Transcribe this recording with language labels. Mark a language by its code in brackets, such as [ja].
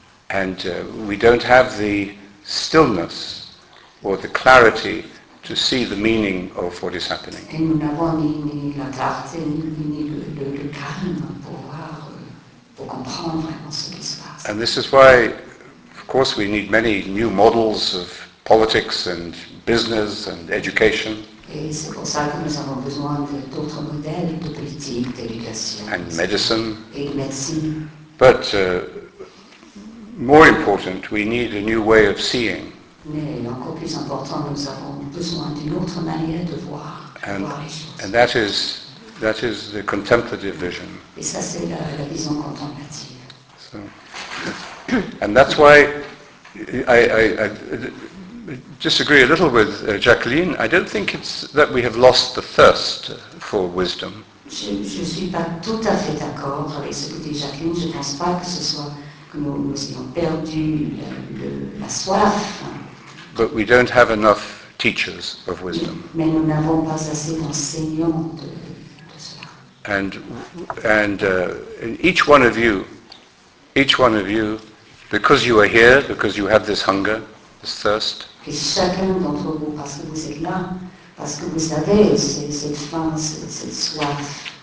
[en] And we don't have the stillness or the clarity to see the meaning of what is happening. [fr] Et nous n'avons ni la clarté ni le calme pour voir, pour comprendre vraiment ce qui se passe. [en] And this is why, of course, we need many new models of politics and business and education. [fr] Et c'est pour ça que nous avons besoin d'autres modèles de politique, d'éducation. [en] And medicine. [fr] Et médecine. [en] But more important, we need a new way of seeing. [fr] Mais encore plus important, nous avons besoin d'une autre manière de voir les choses. [en] And that is the contemplative vision. [fr] Et ça, c'est la vision contemplative. So, [en] and that's why I disagree a little with Jacqueline. I don't think it's that we have lost the thirst for wisdom. [fr] Je ne suis pas tout à fait d'accord avec ce que dit Jacqueline. Je ne pense pas que ce soit que nous ayons perdu la soif. [en] But we don't have enough teachers of wisdom. [fr] Mais nous n'avons pas assez d'enseignants de cela. [en] And each one of you, because you are here, because you have this hunger, this thirst. [fr] Et chacun d'entre vous, parce que vous êtes là, parce que vous avez cette faim, cette soif.